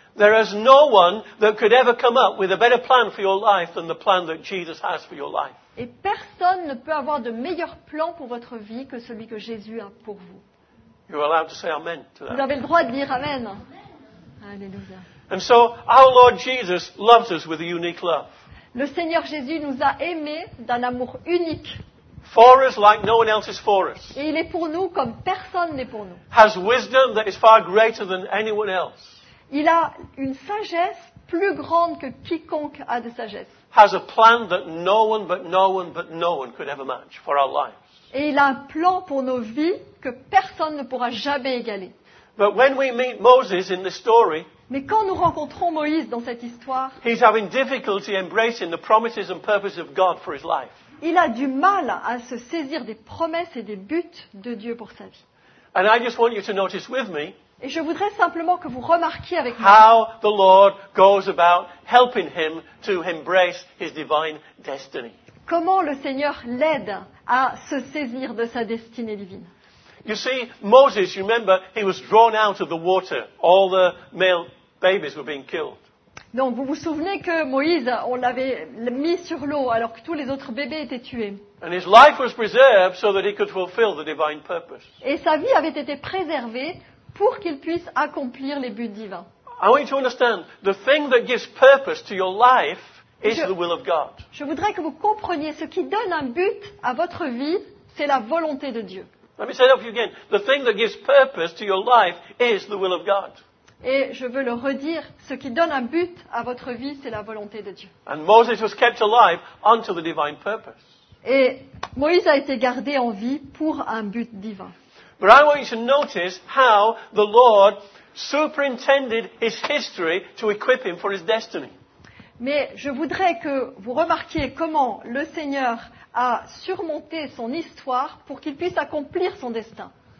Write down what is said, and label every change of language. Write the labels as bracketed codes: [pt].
[en] There is no one that could ever come up with a better plan for your life than the plan that Jesus has for your life. [fr] Et personne ne peut avoir de meilleur plan pour votre vie que celui que Jésus a pour vous. [en] You are allowed to say amen to that. [fr] Vous avez le droit de dire amen. Alléluia. [en] And so our Lord Jesus loves us with a unique love. [fr] Le Seigneur Jésus nous a aimés d'un amour unique. [en] For us like no one else is for us. [fr] Et il est pour nous comme personne n'est pour nous. [en] Has wisdom that is far greater than anyone else. [fr] Il a une sagesse plus grande que quiconque a de sagesse. [en] Has a plan that no one but no one but no one could ever match for our lives. [fr] Et il a un plan pour nos vies que personne ne pourra jamais égaler. [en] But when we meet Moses in the story, [fr] mais quand nous rencontrons Moïse dans cette histoire, [en] he's having difficulty embracing the promises and purposes of God for his life. [fr] Il a du mal à se saisir des promesses et des buts de Dieu pour sa vie. [en] And I just want you to notice with me, [fr] et je voudrais simplement que vous remarquiez avec [en] how [fr] moi [en] the Lord goes about helping him to embrace his divine destiny. [fr] Comment le Seigneur l'aide à se saisir de sa destinée divine. [en] You see, Moses, you remember, he was drawn out of the water. All the male babies were being killed. [fr] Donc vous vous souvenez que Moïse, on l'avait mis sur l'eau alors que tous les autres bébés étaient tués. [en] And his life was preserved so that he could fulfill the divine purpose. [fr] Et sa vie avait été préservée pour qu'il puisse accomplir les buts divins. [en] I want you to understand, the thing that gives purpose to your life is the will of God. [fr] Je voudrais que vous compreniez ce qui donne un but à votre vie, c'est la volonté de Dieu. [en] Let me say that for you again. The thing that gives purpose to your life is the will of God. [fr] Et je veux le redire, ce qui donne un but à votre vie, c'est la volonté de Dieu. [en] And Moses was kept alive unto the divine purpose. [fr] Et Moïse a été gardé en vie pour un but divin. [en] But I want you to notice how the Lord superintended his history to equip him for his destiny. [fr] Mais je voudrais que vous remarquiez comment le Seigneur a surmonté son histoire pour qu'il puisse accomplir son destin.